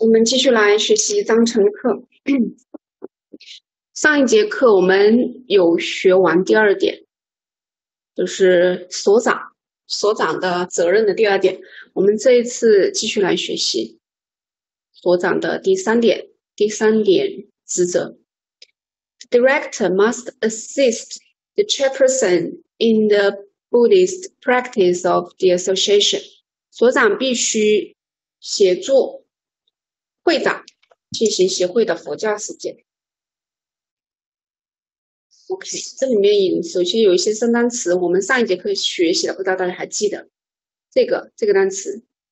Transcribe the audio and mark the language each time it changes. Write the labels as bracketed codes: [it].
[zh] 我们继续来学习章程课。上一节课我们有学完第二点，就是所长的责任的第二点，我们这一次继续来学习。所长的第三点职责。 [en] The director must assist the chairperson in the Buddhist practice of the association. [zh] 所长必须协助会长进行协会的佛教实践。 OK， 这里面首先有一些生单词，我们上一节课学习的，不知道大家还记得这个单词。